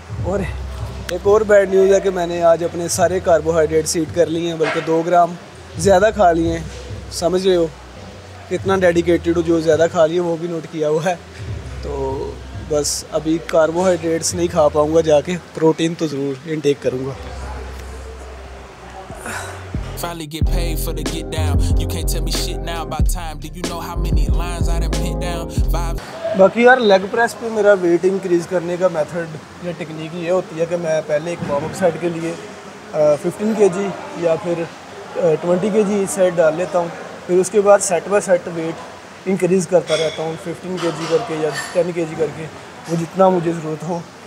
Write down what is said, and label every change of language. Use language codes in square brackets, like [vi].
[hi] और एक और बैड न्यूज़ है कि मैंने आज अपने सारे कार्बोहाइड्रेट्स [en] eat कर लिए [hi] हैं, बल्कि 2 ग्राम ज़्यादा खा लिए हैं. समझ रहे हो कितना डेडिकेटेड हूँ, जो ज़्यादा खा लिए वो भी नोट किया हुआ है. तो बस अभी कार्बोहाइड्रेट्स नहीं खा पाऊँगा जाके, प्रोटीन तो ज़रूर [en] Intake करूँगा. Finally get paid for the get down. You can't tell me shit now about time. Do you know how many lines I done hit down? [hi] बाकी यार लेग प्रेस पे मेरा [en] weight increase [hi] करने का method या technique ये होती है कि मैं पहले एक [en] warm up set [hi] के लिए 15 kg या फिर 20 kg सेट डाल लेता हूँ. फिर उसके बाद [en] set by set weight increase [hi] करता रहता हूँ 15 kg करके या 10 kg करके, वो जितना मुझे ज़रूरत हो.